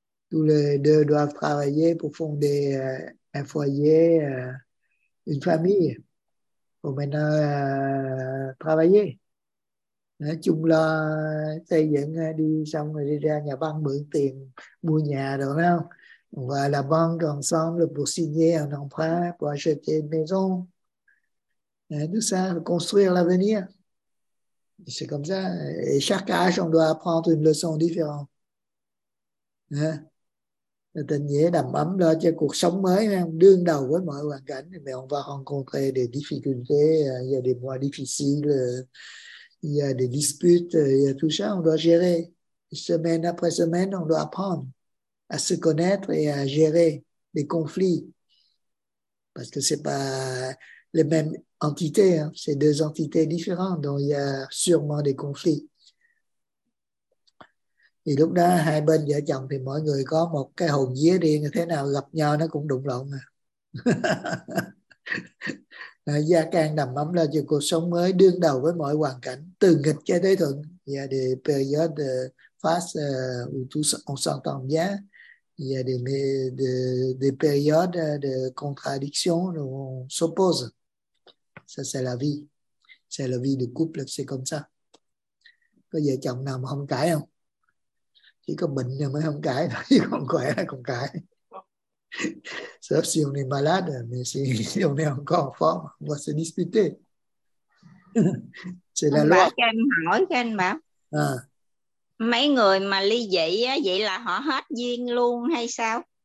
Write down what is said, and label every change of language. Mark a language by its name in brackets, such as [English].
[French] Tous les deux doivent travailler pour fonder un foyer, une famille. Pour maintenant travailler. [Vietnamese] Chung lo xây dựng đi xong rồi đi ra nhà băng mượn tiền mua nhà rồi đó. [French] On va la banque ensemble pour signer un emprunt pour acheter une maison. Tout ça, construire l'avenir. C'est comme ça. Et chaque âge, on doit apprendre une leçon différente. Hein? [Vietnamese] Tình nghĩa đầm ấm đó cho cuộc sống mới đương đầu với mọi hoàn cảnh, [French] mais on va rencontrer des difficultés, il y a des mois difficiles, il y a des disputes, il y a tout ça, on doit gérer. Semaine après semaine, on doit apprendre à se connaître et à gérer les conflits, parce que c'est pas les mêmes entités, hein? C'est deux entités différentes dont il y a sûrement des conflits. [Vietnamese] Thì lúc đó hai bên vợ chồng thì mọi người có một cái hồn vía riêng, thế nào gặp nhau nó cũng đụng lộn mà. Gia can đầm ấm là cho cuộc sống mới đương đầu với mọi hoàn cảnh, từ nghịch cho tới thuận. [French] Il y a des périodes faces où tout on s'entend bien. Il y a des périodes de contradiction où on s'oppose. Ça c'est la vie. C'est la vie du couple, c'est comme ça. [Vietnamese] Có vợ chồng nào mà không cãi không? Chỉ có bệnh rồi mới không cãi, chứ không khỏe không cãi. [French] Sauf si on est malade, mais si on est encore en forme, on va se disputer. C'est la loi. [Vietnamese] Bà cho anh hỏi, cho anh bảo. Mấy người mà ly dị, vậy là họ hết duyên luôn hay sao?